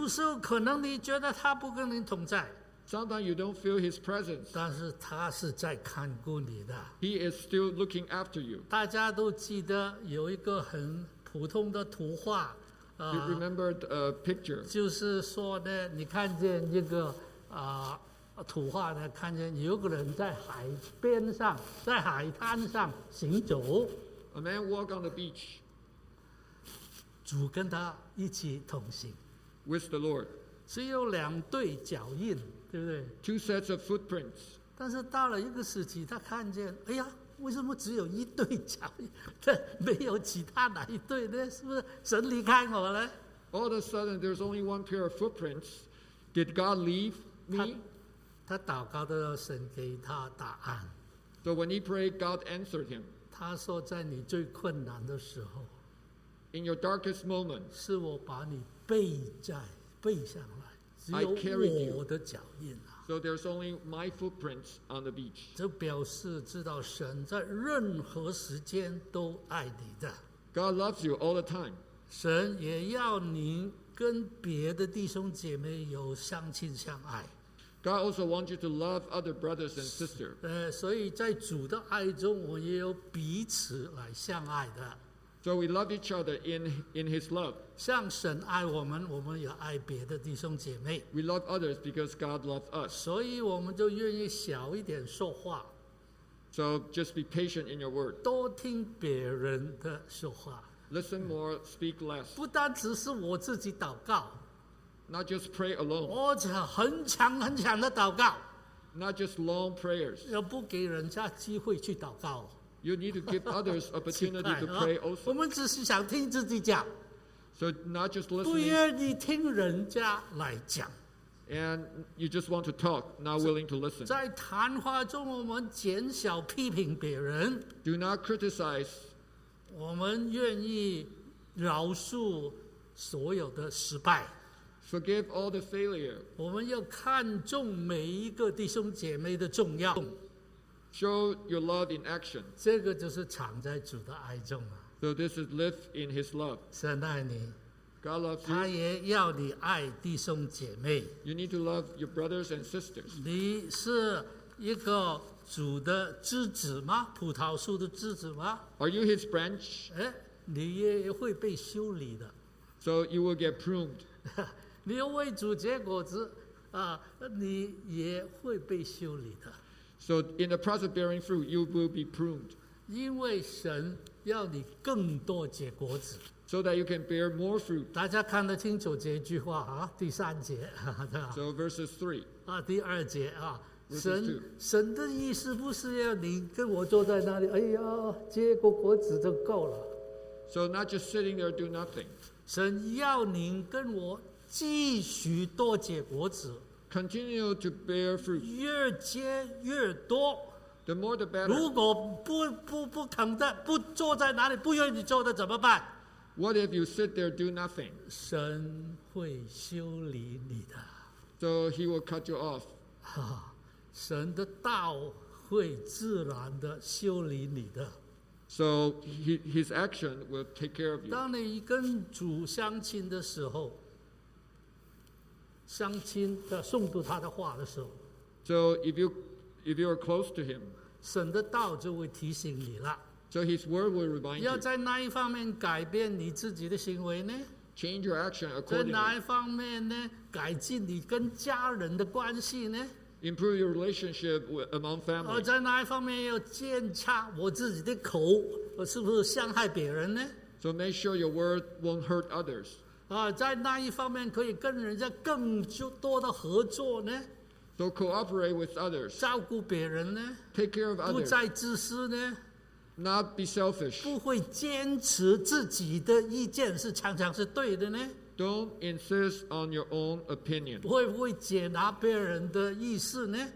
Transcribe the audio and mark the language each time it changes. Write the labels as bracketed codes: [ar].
[zh] 有时候可能你觉得他不跟你同在。 [en] Sometimes you don't feel his presence. [zh] 但是他是在看顾你的。 [en] He is still looking after you. [zh] 大家都记得有一个很普通的图画。 [en] You remembered a picture. [zh] 就是说呢，你看见一个图画呢，看见有个人在海边上，在海滩上行走。 [en] A man walk on the beach. [zh] 主跟他一起同行。 [en] With the Lord. [zh] 只有两对脚印。对不对 [en] ？Two sets of footprints. [zh] 但是到了一个时期，他看见，哎呀，为什么只有一对脚印？这没有其他哪一对呢？是不是神离开我了 [en] ？All of a sudden, there's only one pair of footprints. Did God leave me? [zh] 他祷告的时候，神给他答案。 [en] So when he prayed, God answered him. [zh] 他说，在你最困难的时候 [en] ，In your darkest moment, [zh] 是我把你背上来。 [en] I carried you. [zh] 只有我的脚印啊。 [en] So there's only my footprints on the beach. [zh] 这表示知道神在任何时间都爱你的。 [en] God loves you all the time. [zh] 神也要您跟别的弟兄姐妹有相亲相爱。 [en] God also wants you to love other brothers and sisters. [zh] 所以在主的爱中，我也有彼此来相爱的。 [en] So we love each other in His love. [zh] 像神爱我们，我们也爱别的弟兄姐妹。 [en] We love others because God loves us. [zh] 所以我们就愿意小一点说话。 [en] So just be patient in your word. [zh] 多听别人的说话。 [en] Listen more, speak less. [zh] 不单只是我自己祷告。 [en] Not just pray alone. [zh] 或者很长很长的祷告。 [en] Not just long prayers. [zh] 也不给人家机会去祷告。 [en] You need to give others opportunity to pray also. [zh] 我们只是想听自己讲。 [en] So not just listening. [zh] 不愿意听人家来讲。 [en] And you just want to talk, not willing to listen. [zh] 在谈话中，我们减少批评别人。 [en] Do not criticize. [zh] 我们愿意饶恕所有的失败。 [en] Forgive all the failure. [zh] 我们要看重每一个弟兄姐妹的重要。 [en] Show your love in action. [zh] 这个就是藏在主的爱中啊。 [en] So this is live in His love. [zh] 神爱你。 [en] God loves you. [zh] 他也要你爱弟兄姐妹。 [en] You need to love your brothers and sisters. [zh] 你是一个主的枝子吗？葡萄树的枝子吗 [en] ？Are you His branch? [zh] 你也会被修理的。 [en] So you will get pruned. [zh] 你要为主结果子啊，你也会被修理的。 [en] So in the process of bearing fruit, you will be pruned. [zh] 因为神要你更多结果子。 [en] So that you can bear more fruit. [zh] 大家看得清楚这句话啊，第三节。 [en] So verses three. [zh] 第二节啊，神的意思不是要你跟我坐在那里，哎呀，结果果子就够了。 [en] So not just sitting there do nothing. [zh] 神要你跟我继续多结果子。 [en] Continue to bear fruit. [zh] 越结越多。 [en] The more the better. [zh] 如果不肯的，不坐在哪里，不愿意坐的怎么办 [en] ？What if you sit there do nothing? [zh] 神会修理你的。 [en] So he will cut you off. [zh] 神的道会自然的修理你的。 [en] So his action will take care of you. [zh] 当你跟主相亲的时候。相亲的诵读他的话的时候 [en] ，So if you are close to him， [zh] 神的道就会提醒你了。 [en] So his word will remind you。 [zh] 要在哪一方面改变你自己的行为呢 [en] ？Change your action accordingly。 [zh] 在哪一方面呢？改进你跟家人的关系呢 [en] ？Improve your relationship among family。 [zh] 在哪一方面要检查我自己的口，我是不是伤害别人呢 [en] So make sure your word won't hurt others. [zh] 啊，在那一方面可以跟人家更多的合作呢。 [en] So cooperate with others. [zh] 照顾别人呢。 [en] Take care of others. [zh] 不再自私呢。 [en] Not be selfish. [zh] 不会坚持自己的意见是常常是对的呢。 [en] Don't insist on your own opinion. [zh] 不会不会接纳别人的意思呢。